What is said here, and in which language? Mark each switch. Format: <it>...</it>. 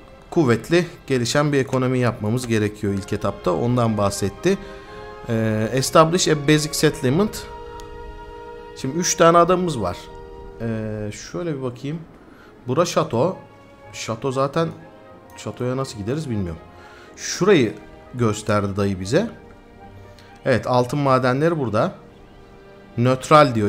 <tr>kuvvetli gelişen bir ekonomi yapmamız gerekiyor ilk etapta. Ondan bahsetti.</tr> <en>Establish a basic settlement.</en> <tr>Şimdi 3 tane adamımız var. Şöyle bir bakayım. Bura şato. Şato zaten şatoya nasıl gideriz bilmiyorum. Şurayı gösterdi dayı bize. Evet, altın madenleri burada. Nötral diyor.</tr>